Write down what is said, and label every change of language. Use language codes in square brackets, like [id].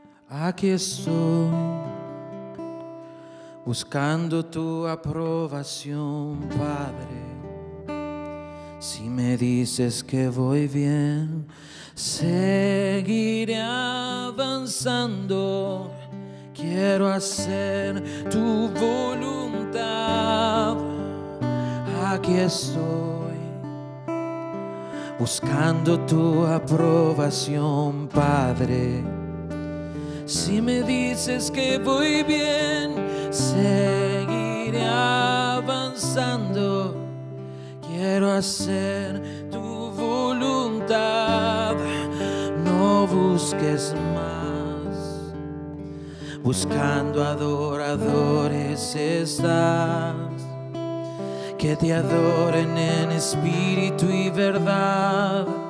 [pt] Aqui estou buscando tu aprovação, Padre. [es] Si me dices que voy bien, seguiré avanzando. Quiero hacer tu voluntad. [pt] Aqui estou buscando tu aprovação, Padre. [es] Si me dices que voy bien, seguiré avanzando. Quiero hacer tu voluntad. No busques más, buscando adoradores estás, que te adoren en espíritu y verdad.